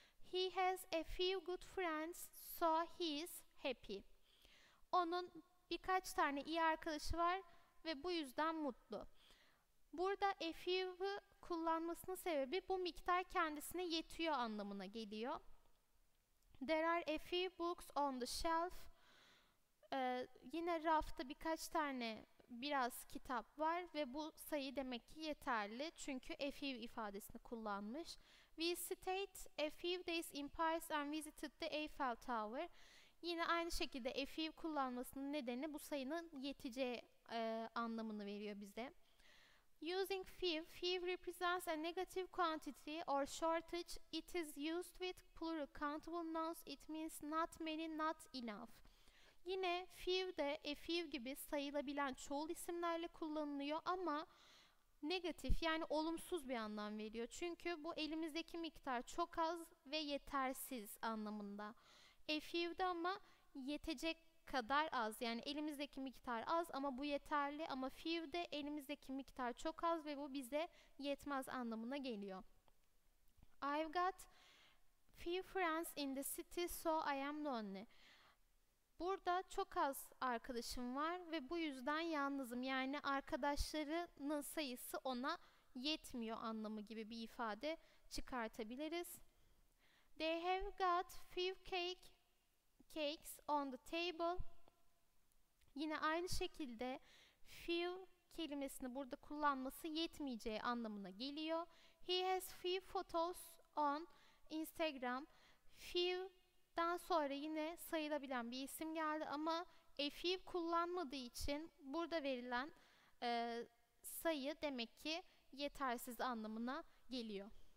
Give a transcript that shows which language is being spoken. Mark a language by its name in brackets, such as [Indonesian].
[English] He has a few good friends, so he's happy. [Turkish] Onun birkaç tane iyi arkadaşı var ve bu yüzden mutlu. Burada a few'u kullanmasının sebebi bu miktar kendisine yetiyor anlamına geliyor. [English] There are a few books on the shelf. [Turkish] Yine rafta birkaç tane biraz kitap var ve bu sayı demek ki yeterli çünkü a few ifadesini kullanmış. [English] We stayed a few days in Paris and visited the Eiffel Tower. [Turkish] Yine aynı şekilde a few kullanmasının nedeni bu sayının yeteceği anlamını veriyor bize. [English] Using few represents a negative quantity or shortage. It is used with plural countable nouns. It means not many, not enough. [Turkish] Yine few de a few gibi sayılabilen çoğul isimlerle kullanılıyor ama negatif yani olumsuz bir anlam veriyor. Çünkü bu elimizdeki miktar çok az ve yetersiz anlamında. A few de ama yetecek kadar az yani elimizdeki miktar az ama bu yeterli ama few de elimizdeki miktar çok az ve bu bize yetmez anlamına geliyor. [English] I've got few friends in the city, so I am lonely. [Turkish] Burada çok az arkadaşım var ve bu yüzden yalnızım. Yani arkadaşlarının sayısı ona yetmiyor anlamı gibi bir ifade çıkartabiliriz. [English] They have got few cakes on the table. [Turkish] Yine aynı şekilde few kelimesini burada kullanması yetmeyeceği anlamına geliyor. [English] He has few photos on Instagram. [Turkish] Few'dan sonra yine sayılabilen bir isim geldi ama a few kullanmadığı için burada verilen sayı demek ki yetersiz anlamına geliyor.